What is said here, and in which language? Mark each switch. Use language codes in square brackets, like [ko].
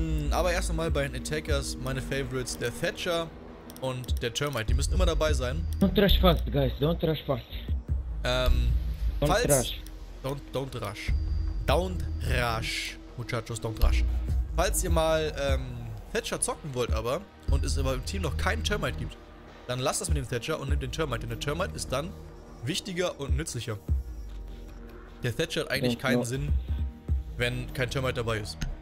[de] Aber erst einmal bei den Attackers, meine Favorites, der Thatcher und der Termite, die müssen immer dabei sein. [en] Don't rush fast, guys, don't rush fast. Don't rush, muchachos. [de] Falls ihr mal Thatcher zocken wollt aber und es aber im Team noch keinen Termite gibt, dann lasst das mit dem Thatcher und nehmt den Termite, denn der Termite ist dann wichtiger und nützlicher. Der Thatcher hat eigentlich keinen Sinn, wenn kein Termite dabei ist.